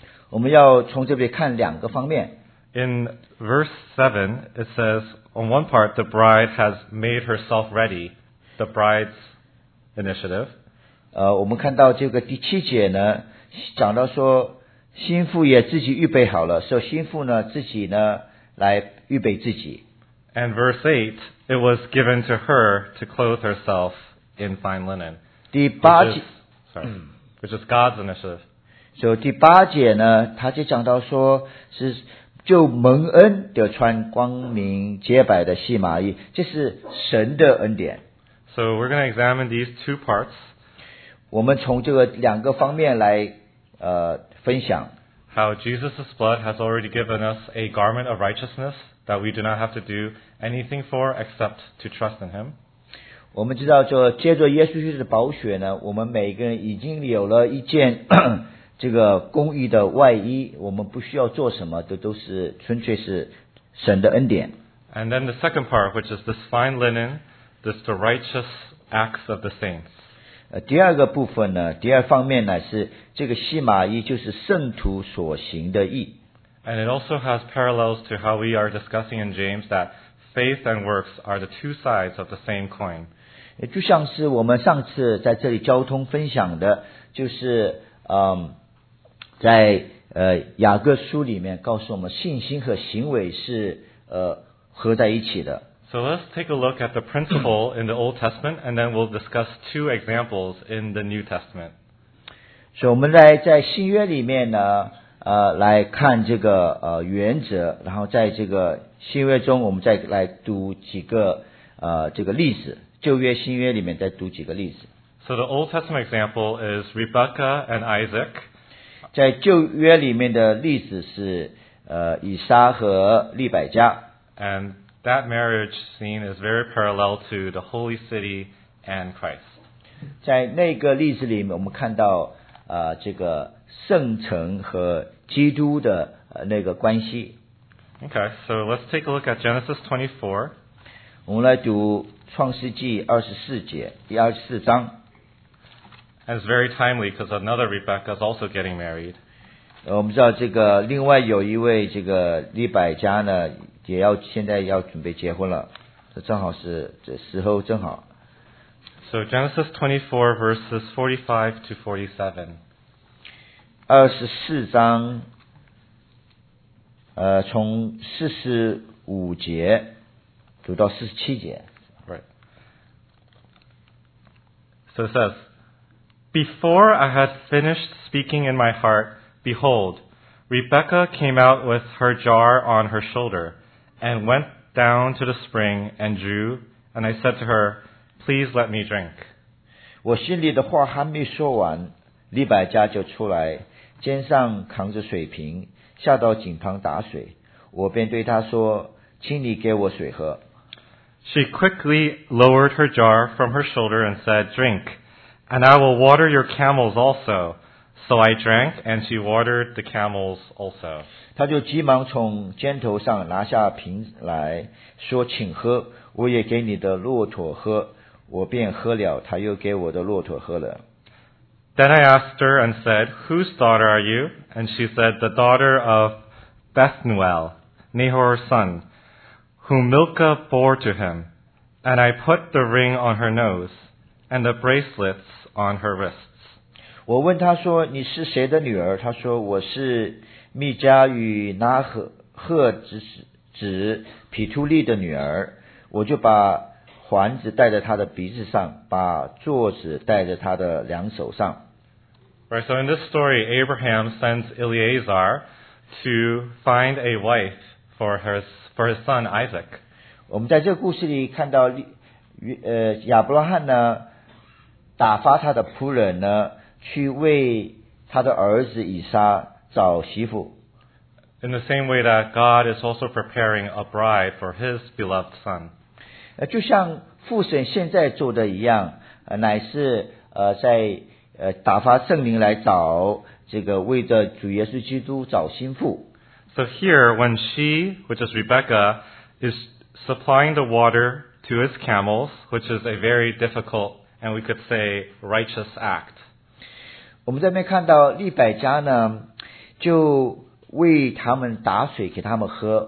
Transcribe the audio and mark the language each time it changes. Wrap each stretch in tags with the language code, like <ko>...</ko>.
<zh>我们要从这边看两个方面。</zh> <en>In verse 7, it says, on one part, the bride has made herself ready, the bride's initiative.</en> <zh>我们看到这个第七节呢，讲到说新妇也自己预备好了，所以新妇呢自己呢来预备自己。</zh> <en>And verse 8, it was given to her to clothe herself in fine linen.</en> <zh>第八节</zh> <en>which is God's initiative. So</en> <zh>第八节呢，他就讲到说是就蒙恩得穿光明洁白的细麻衣，这是神的恩典。</zh> <en>So we're going to examine these two parts.</en> <zh>我们从这个两个方面来分享</zh> <en>how Jesus' blood has already given us a garment of righteousness that we do not have to do anything for except to trust in him.</en> <zh>我们知道就借着耶稣基督的宝血呢，我们每个人已经有了一件这个公义的外衣，我们不需要做什么，都是纯粹是神的恩典。</zh> <en>And then the second part, which is this fine linen, this the righteous acts of the saints.</en> <zh>第二个部分呢，第二方面呢是这个细麻衣就是圣徒所行的义。</zh> <en>And it also has parallels to how we are discussing in James that faith and works are the two sides of the same coin.</en> <zh>就像是我们上次在这里交通分享的，就是在雅各书里面告诉我们信心和行为是合在一起的。</zh> <en>So let's take a look at the principle in the Old Testament, and then we'll discuss two examples in the New Testament. So</en> <zh>我们来在新约里面呢，来看这个原则，然后在这个新约中，我们再来读几个这个例子。旧约、新约里面再读几个例子。</zh> <en>So the Old Testament example is Rebekah and Isaac.</en> <zh>在旧约里面的例子是以撒和利百加。</zh> <en>And that marriage scene is very parallel to the holy city and Christ.</en> <zh>在那个例子里面，我们看到这个圣城和基督的那个关系。</zh> <en>Okay, so let's take a look at Genesis 24.</en> <zh>我们来读创世纪二十四节第二十四章。</zh> <en>And it's very timely because another Rebecca is also getting married.</en> <zh>我们知道这个另外有一位这个利百加呢。也要现在要准备结婚了，这正好是这时候正好。</zh> <en>So Genesis 24 verses 45-47.</en> <zh>二十四章，从四十五节读到四十七节。</zh> <en>Right. So it says, Before I had finished speaking in my heart, behold, Rebekah came out with her jar on her shoulder, and went down to the spring and drew, and I said to her, Please let me drink.</en> <zh>我心里的话还没说完，利百加就出来，肩上扛着水瓶，下到井旁打水。我便对她说，请你给我水喝。</zh> <en>She quickly lowered her jar from her shoulder and said, Drink, and I will water your camels also. So I drank, and she watered the camels also.</en> <zh>她就急忙从肩头上拿下瓶来，说，请喝，我也给你的骆驼喝。我便喝了，她又给我的骆驼喝了。</zh> <en>Then I asked her and said, Whose daughter are you? And she said, The daughter of Bethuel, Nahor's son, whom Milcah bore to him. And I put the ring on her nose and the bracelets on her wrists.</en> <zh>我问她说你是谁的女儿她说我是密加与拿赫子皮图利的女儿我就把环子戴在她的鼻子上把坐子戴在她的两手上。</zh> <en>Right, so in this story, Abraham sends Eliezer to find a wife for his son Isaac.</en> <zh>我们在这个故事里看到，亚伯拉罕呢，打发他的仆人呢，去为他的儿子以撒找媳妇。</zh> <en>In the same way that God is also preparing a bride for His beloved son.</en> <zh>就像父神现在做的一样，乃是在。打发圣灵来找这个为着主耶稣基督找心腹。</zh> <en>So here, when she, which is Rebecca, is supplying the water to his camels, which is a very difficult and we could say righteous act.</en> <zh>我们这边看到利百加呢，就为他们打水给他们喝。</zh>